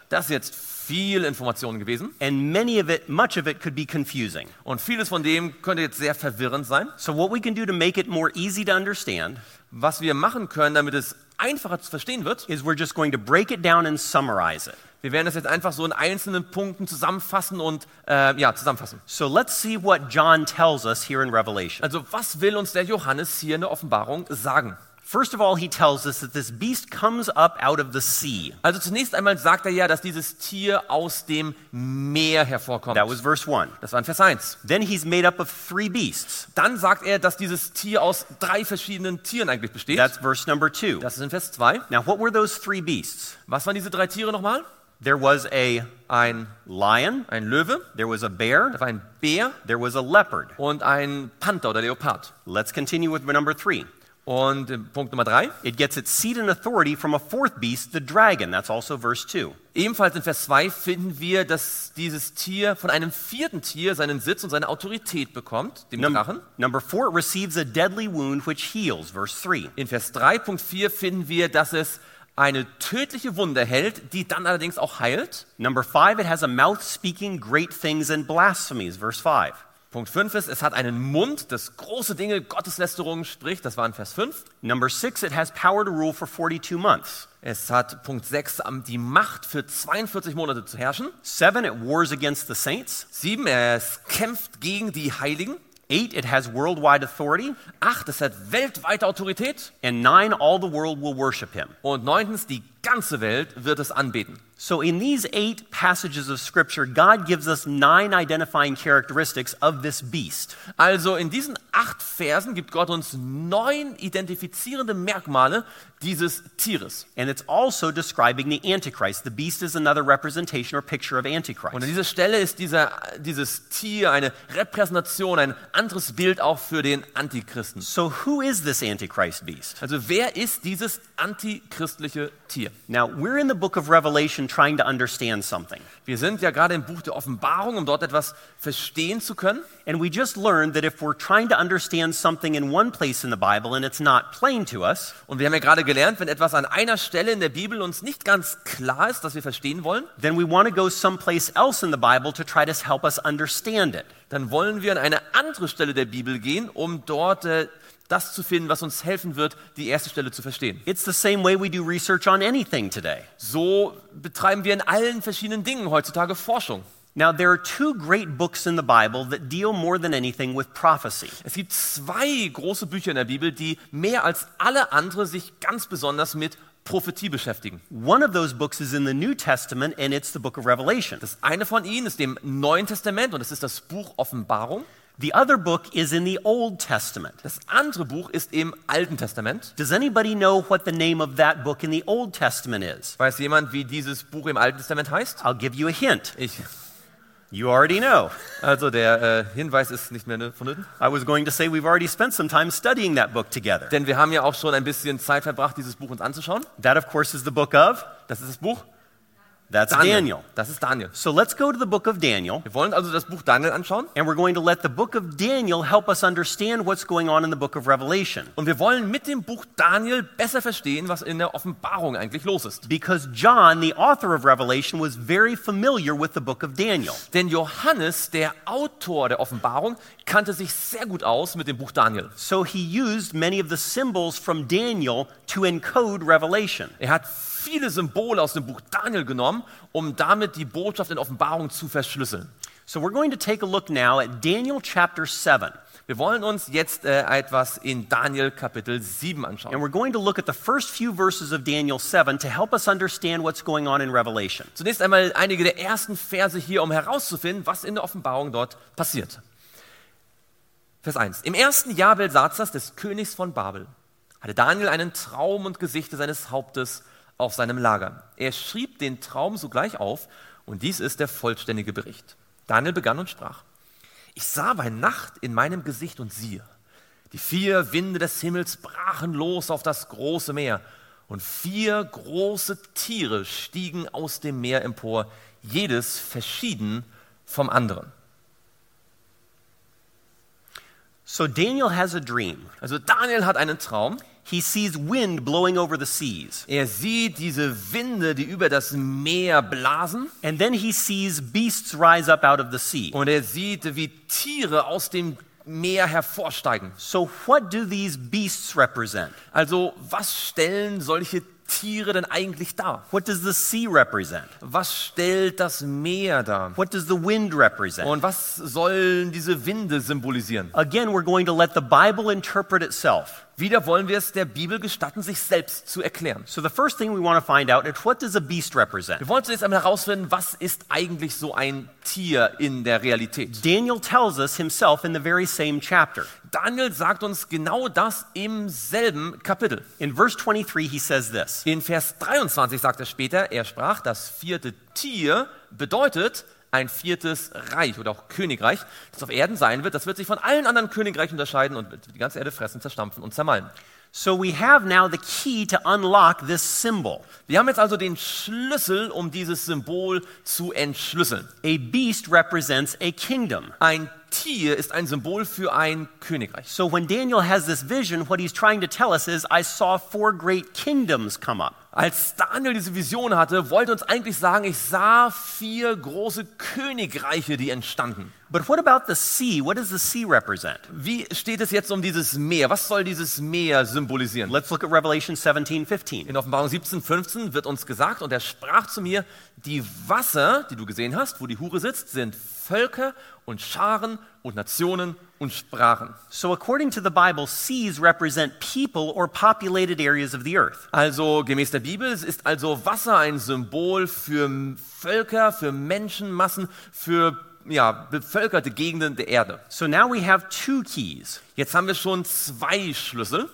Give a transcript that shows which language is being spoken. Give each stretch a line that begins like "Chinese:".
German: Das ist jetzt viel Information gewesen.
English: And many of it, much of it could be confusing.
German: Und vieles von dem könnte jetzt sehr verwirrend sein.
English: So what we can do to make it more easy to understand,
German: was wir machen können, damit es einfacher zu verstehen wird,
English: is we're just going to break it down and summarize it.
German: Wir werden das jetzt einfach so in einzelnen Punkten zusammenfassen und zusammenfassen.
English: So let's see what John tells us here in Revelation.
German: Also was will uns der Johannes hier in der Offenbarung sagen?
English: First of all, he tells us that this beast comes up out of the sea.
German: Also zunächst einmal sagt er ja, dass dieses Tier aus dem Meer hervorkommt.
English: That was verse 1.
German: Das war in Vers 1.
English: Then he's made up of three beasts.
German: Dann sagt er, dass dieses Tier aus drei verschiedenen Tieren eigentlich besteht.
English: That's verse number 2.
German: Das ist in Vers 2.
English: Now, what were those three beasts?
German: Was waren diese drei Tiere nochmal?
English: There was a
German: ein
English: lion,
German: ein Löwe.
English: There was a bear,
German: da war ein Bär.
English: There was a leopard,
German: und ein Panther oder Leopard.
English: Let's continue with number 3.
German: Und Punkt Nummer 3.
English: It gets its seat and authority from a fourth beast, the dragon. That's also verse 2.
German: Ebenfalls in Vers 2 finden wir, dass dieses Tier von einem vierten Tier seinen Sitz und seine Autorität bekommt, dem Drachen.
English: Number 4 receives a deadly wound which heals, verse 3.
German: In Vers 3, Punkt 4 finden wir, dass es eine tödliche Wunde hält, die dann allerdings auch heilt.
English: Number 5, it has a mouth speaking great things and blasphemies, verse 5.
German: Punkt 5 ist, es hat einen Mund, das große Dinge, Gotteslästerungen spricht, das war in Vers 5.
English: Number 6, it has power to rule for 42 months.
German: Es hat Punkt 6 die Macht für 42 Monate zu herrschen.
English: 7, it wars against the saints.
German: 7, es kämpft gegen die Heiligen.
English: 8, it has worldwide authority.
German: 8, es hat weltweite Autorität.
English: And 9, all the world will worship him.
German: Und 9, die ganze Welt wird es anbeten.
English: So in these 8 passages of scripture, God gives us 9 identifying characteristics of this beast.
German: Also in diesen 8 Versen gibt Gott uns 9 identifizierende Merkmale dieses Tieres.
English: And it's also describing the Antichrist. The beast is another representation or picture of Antichrist.
German: Und an dieser Stelle ist dieses Tier eine Repräsentation, ein anderes Bild auch für den Antichristen.
English: So who is this Antichrist beast?
German: Also wer ist dieses antichristliche Tier?
English: Now we're in the book of Revelation trying to understand something.
German: Wir sind ja gerade im Buch der Offenbarung, um dort etwas verstehen zu können.
English: And we just learned that if we're trying to understand something in one place in the Bible and it's not plain to us,
German: und wir haben ja gerade gelernt, wenn etwas an einer Stelle in der Bibel uns nicht ganz klar ist, dass wir verstehen wollen,
English: then we want to go someplace else in the Bible to try to help us understand it.
German: Dann wollen wir an eine andere Stelle der Bibel gehen, um dort das zu finden, was uns helfen wird, die erste Stelle zu verstehen.
English: It's the same way we do research on anything today.
German: So betreiben wir in allen verschiedenen Dingen heutzutage Forschung.
English: Now there are two great books in the Bible that deal more than anything with prophecy.
German: Es gibt zwei große Bücher in der Bibel, die mehr als alle andere sich ganz besonders mit Prophetie beschäftigen.
English: One of those books is in the New Testament and it's the book of Revelation.
German: Das eine von ihnen ist im Neuen Testament und es ist das Buch Offenbarung.
English: The other book is in the Old Testament.
German: Das andere Buch ist im Alten Testament.
English: Does anybody know what the name of that book in the Old Testament is?
German: Weiß jemand, wie dieses Buch im Alten Testament heißt?
English: I'll give you a hint. You already know.
German: Also der Hinweis ist nicht mehr vonnöten.
English: I was going to say we've already spent some time studying that book together.
German: Denn wir haben ja auch schon ein bisschen Zeit verbracht, dieses Buch uns anzuschauen.
English: That of course is the book of.
German: Das ist das Buch.
English: That's Daniel. Daniel.
German: Das ist Daniel.
English: So let's go to the book of Daniel.
German: Wir wollen also das Buch Daniel anschauen.
English: And we're going to let the book of Daniel help us understand what's going on in the book of Revelation.
German: Und wir wollen mit dem Buch Daniel besser verstehen, was in der Offenbarung eigentlich los ist.
English: Because John, the author of Revelation, was very familiar with the book of Daniel.
German: Denn Johannes, der Autor der Offenbarung, kannte sich sehr gut aus mit dem Buch Daniel.
English: So he used many of the symbols from Daniel to encode Revelation.
German: Er hat viele Symbole aus dem Buch Daniel genommen, um damit die Botschaft in Offenbarung zu verschlüsseln.
English: So we're going to take a look now at Daniel chapter 7.
German: Wir wollen uns jetzt etwas in Daniel Kapitel 7 anschauen.
English: And we're going to look at the first few verses of Daniel 7 to help us understand what's going on in Revelation.
German: Zunächst einmal einige der ersten Verse hier, um herauszufinden, was in der Offenbarung dort passiert. Vers 1. Im ersten Jahr Belsazars, des Königs von Babel, hatte Daniel einen Traum und Gesichte seines Hauptes auf seinem Lager. Er schrieb den Traum sogleich auf, und dies ist der vollständige Bericht. Daniel begann und sprach: Ich sah bei Nacht in meinem Gesicht, und siehe, die vier Winde des Himmels brachen los auf das große Meer, und vier große Tiere stiegen aus dem Meer empor, jedes verschieden vom anderen.
English: So Daniel has a dream.
German: Also Daniel hat einen Traum.
English: He sees wind blowing over the seas.
German: Er sieht diese Winde, die über das Meer blasen.
English: And then he sees beasts rise up out of the sea.
German: Und er sieht, wie Tiere aus dem Meer hervorsteigen.
English: So what do these beasts represent?
German: Also, was stellen solche Tiere denn eigentlich dar?
English: What does the sea represent?
German: Was stellt das Meer dar?
English: What does the wind represent?
German: Und was sollen diese Winde symbolisieren?
English: Again, we're going to let the Bible interpret itself.
German: Wieder wollen wir es der Bibel gestatten, sich selbst zu erklären.
English: So the first thing we want to find out is what does a beast represent?
German: Wir wollen zunächst einmal herausfinden, was ist eigentlich so ein Tier in der Realität?
English: Daniel tells us himself in the very same chapter.
German: Daniel sagt uns genau das im selben Kapitel.
English: In verse 23 he says this.
German: In Vers 23 sagt er später, er sprach, das vierte Tier bedeutet ein viertes Reich oder auch Königreich, das auf Erden sein wird, das wird sich von allen anderen Königreichen unterscheiden und wird die ganze Erde fressen, zerstampfen und zermalmen.
English: So we have now the key to unlock this symbol.
German: Wir haben jetzt also den Schlüssel, um dieses Symbol zu entschlüsseln.
English: A beast represents a kingdom.
German: Ein Tier ist ein Symbol für ein Königreich.
English: So when Daniel has this vision, what he's trying to tell us is, I saw four great kingdoms come up.
German: Als Daniel diese Vision hatte, wollte uns eigentlich sagen, ich sah vier große Königreiche, die entstanden.
English: But what about the sea? What does the sea represent?
German: Wie steht es jetzt um dieses Meer? Was soll dieses Meer symbolisieren?
English: Let's look at Revelation 17:15.
German: In Offenbarung 17:15 wird uns gesagt, und er sprach zu mir, die Wasser, die du gesehen hast, wo die Hure sitzt, sind Völker und Scharen und Nationen und Sprachen.
English: So according to the Bible, seas represent people or populated areas of the earth.
German: Also gemäß der Bibel ist also Wasser ein Symbol für Völker, für Menschenmassen, für ja, bevölkerte Gegenden der Erde.
English: So now we have two keys.
German: Jetzt haben wir schon zwei Schlüssel.